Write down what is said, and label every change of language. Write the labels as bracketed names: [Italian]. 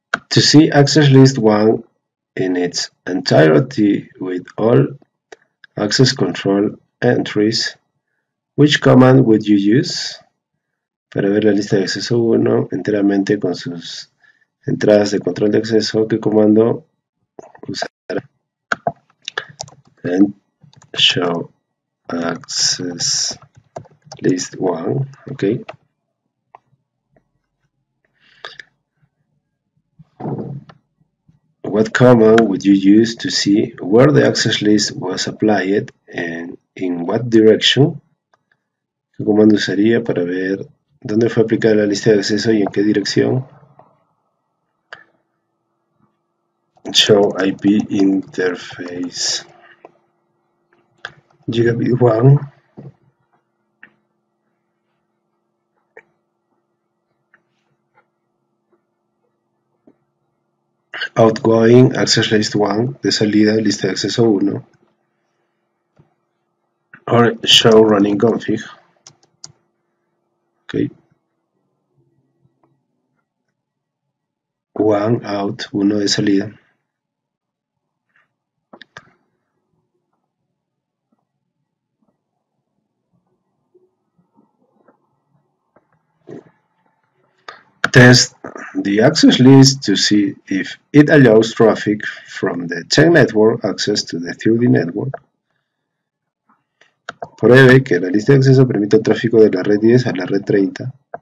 [English] To see Access List 1 in its entirety with all access control entries, which command would you use? [Spanish] Para ver la lista de acceso 1 enteramente con sus entradas de control de acceso, ¿qué comando usar? [English] And show access list 1, ok. What command would you use to see where the access list was applied and in what direction? [Spanish] ¿Qué comando usaría para ver dónde fue aplicada la lista de acceso y en qué dirección? [English] Show IP interface gigabit 1. Outgoing access list 1, [Spanish] de salida lista de acceso 1. [English] Or show running config. Ok. [Spanish] 1 out, 1 de salida. [English] Test the access list to see if it allows traffic from the 10 network access to the 30 network. [Spanish] Pruebe que la lista de acceso permite el tráfico de la red 10 a la red 30.